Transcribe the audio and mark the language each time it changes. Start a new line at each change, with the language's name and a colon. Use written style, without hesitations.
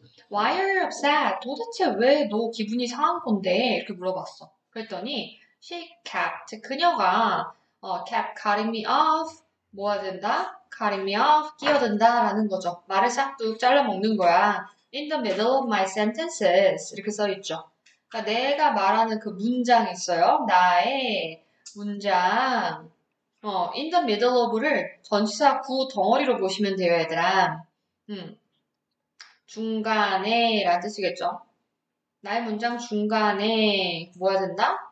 English: 와이어 업셋.
Korean: 도대체 왜너 기분이 상한 건데? 이렇게 물어봤어.
English: 그랬더니 she kept
Korean: 그녀가
English: kept cutting me off
Korean: 뭐가 된다?
English: cutting me off
Korean: 끼어든다라는 거죠. 말을 싹둑 잘라 먹는 거야.
English: in the middle of my sentences
Korean: 이렇게 써 있죠. 그러니까 내가 말하는 그 문장 있어요. 나의 문장.
English: in the middle of
Korean: 를 전치사 구 덩어리로 보시면 돼요, 얘들아. 중간에 라는 뜻이겠죠. 나의 문장 중간에 뭐 해야 된다?